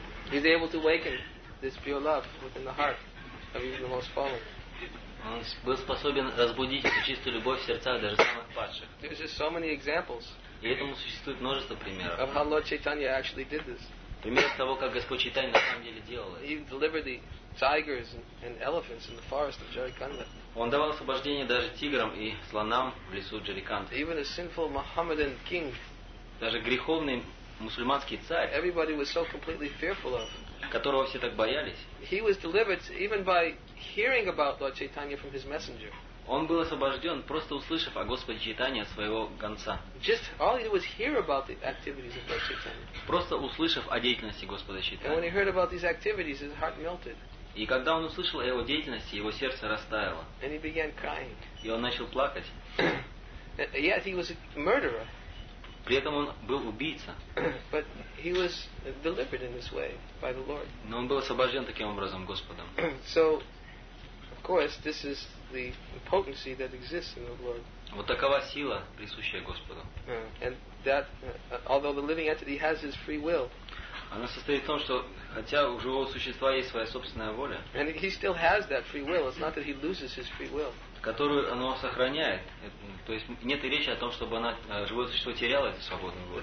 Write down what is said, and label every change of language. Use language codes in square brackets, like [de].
[en] He's able to awaken this pure love within the heart of even the most fallen. [ru] Он был способен разбудить эту чистую любовь в сердцах даже самых падших. [en] There's just so many examples. [ru] И этому существует множество примеров. [en] Of how Lord Chaitanya actually did this. [ru] Пример того, как Господь Чайтанья на самом деле делал. [en] He delivered the tigers and elephants in the forest of Jarikanda. [ru] Он давал освобождение даже тиграм и слонам в лесу Джариканды. [en] Even a sinful Mohammedan king. [ru] Даже греховный мусульманский царь, [en] everybody was so completely fearful of, [ru] которого все так боялись, [en] he was delivered even by hearing about Lord Chaitanya from his messenger. [ru] Он был освобожден, просто услышав о Господе Чайтанье от своего гонца. [en] Just all he was hear about the activities of Lord Chaitanya. [ru] Просто услышав о деятельности Господа Чайтанья. [en] And when he heard about these activities, his heart melted. [ru] И когда он услышал о его деятельности, его сердце растаяло. [en] And he began crying. [ru] И он начал плакать. [en] Yet he was a murderer. [ru] При этом он был убийца. [en] But he was delivered in this way by the Lord. [ru] Но он был освобожден таким образом Господом. [en] So, of course, this is the potency that exists in the Lord. [ru] Вот такова сила, присущая Господу. [en] And that, although the living entity has his free will. [ru] Она состоит в том, что хотя у живого существа есть своя собственная воля. [en] And he still has that free will. It's not that he loses his free will. [ru] Которую оно сохраняет. То есть нет и речи о том, чтобы она, живое существо теряло эту свободную волю.